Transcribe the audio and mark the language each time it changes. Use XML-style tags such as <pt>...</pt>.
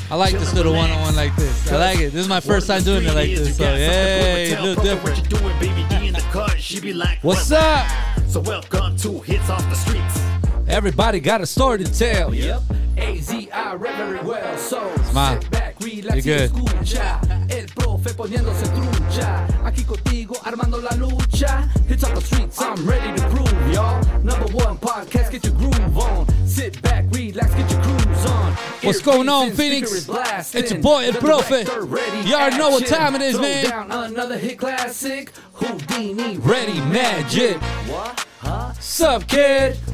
<en>I like this little one-on-one like this. I like it. This is my first time doing it like this. So, hey, a little different. What you doing, baby D in the car? She be like, what's up? So welcome to Hits Off the Streets. Everybody got a story to tell. Yep. A-Z-I rap very well. So smile. Sit back, relax, you're good.</en> <es>Escucha. El profe poniéndose trucha. Aquí contigo armando la lucha.</es> <en>Hits Off the Streets, I'm ready to groove, y'all. Number one podcast, get your groove on. Sit back, relax, get your cruise on. What's going on, Phoenix? It's your boy, El Profe. Y'all action. Know what time it is, throw man. Down another hit classic. Houdini. Ready, magic. What? Huh? Sup, kid?</en>